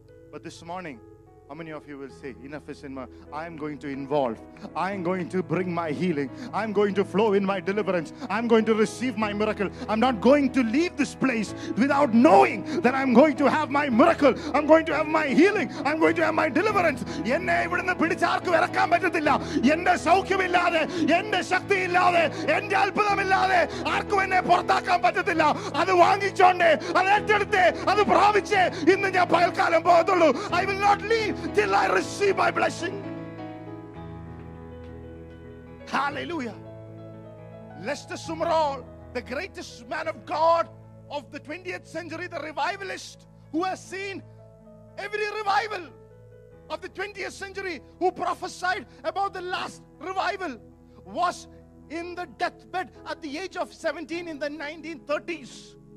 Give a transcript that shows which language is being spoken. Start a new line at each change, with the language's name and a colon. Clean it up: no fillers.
English: But this morning, how many of you will say, enough is enough. I am going to involve. I am going to bring my healing. I am going to flow in my deliverance. I am going to receive my miracle. I am not going to leave this place without knowing that I am going to have my miracle. I am going to have my healing. I am going to have my deliverance.
Malayalam: എന്നെ ഇവിടുന്ന് പിടിച്ചാർക്ക് വിറക്കാൻ പറ്റത്തില്ല. എന്റെ സൗഖ്യമില്ലാതെ, എന്റെ ശക്തിയില്ലാതെ, എന്റെ അത്ഭുതമില്ലാതെ ആർക്കും എന്നെ പുറത്താക്കാൻ പറ്റത്തില്ല. അത് വാങ്ങിച്ചോണ്ടേ, അത് ഏറ്റെടുത്തേ, അത് പ്രാപിച്ചേ ഇന്ന് ഞാൻ പകൽക്കാലം പോകത്തുള്ളൂ.
English: I will not leave till I receive my blessing. Hallelujah. Lester Sumrall, the greatest man of God of the 20th century, the revivalist who has seen every revival of the 20th century, who prophesied about the last revival, was in the deathbed at the age of 17 in the 1930s.